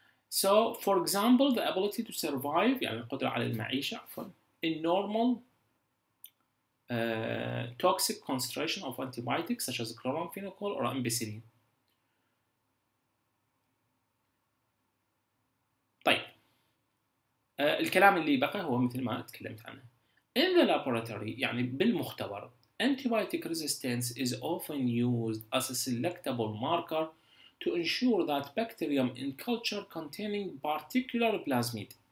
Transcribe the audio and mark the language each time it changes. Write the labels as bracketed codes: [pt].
[en] So for example the ability to survive [ar] يعني القدرة على المعيشة [en] in normal toxic concentration of antibiotics such as chloramphenicol or ampicillin. [ar] طيب الكلام اللي بقى هو مثل ما تكلمت عنه. [en] In the laboratory [ar] يعني بالمختبر [en] antibiotic resistance is often used as a selectable marker to ensure that bacterium in culture containing particular plasmid.